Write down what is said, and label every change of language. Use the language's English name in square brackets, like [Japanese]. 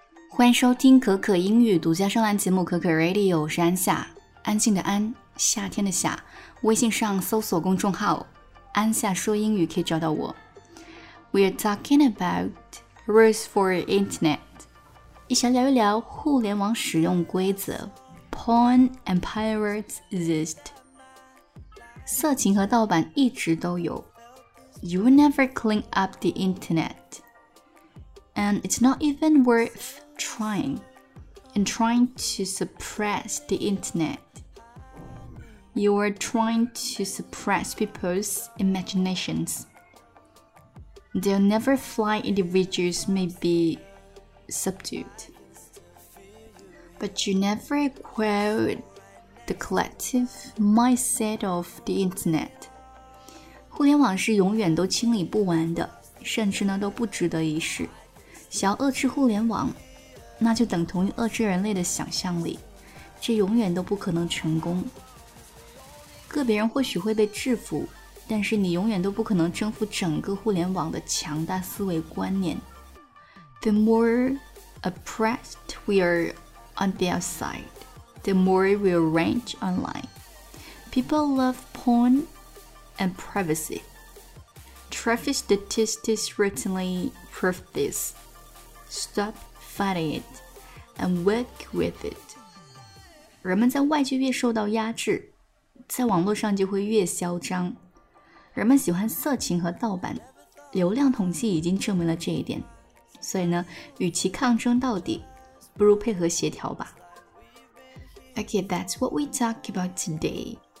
[Chinese] 欢迎收听可可英语独家专栏节目可可 Radio， 我是安夏，安静的安，夏天的夏。微信上搜索公众号安夏说英语可以找到我。 [English] We are talking about rules for internet， [Chinese] 一起来聊一聊互联网使用规则。 [English] Porn and pirates exist， [Chinese] 色情和盗版一直都有。 [English] You will never clean up the internet And it's not even worthTrying to suppress the internet. You are trying to suppress people's imaginations. They'll never fly, individuals may be subdued. But you never quell the collective mindset of the internet. [Chinese] 互联网是永远都清理不完的，甚至呢都不值得一试。想要遏制互联网，那就等同于遏制人类的想象力，这永远都不可能成功。个别人或许会被制服，但是你永远都不可能征服整个互联网的强大思维观念。 [English] The more oppressed we are on the outside, the more we will rage online. People love porn and privacy. Traffic statistics recently prove this. StopFighting it and work with it. [Chinese] 人们在外界越受到压制，在网络上就会越嚣张。人们喜欢色情和盗版，流量统计已经证明了这一点。所以呢，与其抗争到底，不如配合协调吧。 [English] Okay, that's what we talk about today.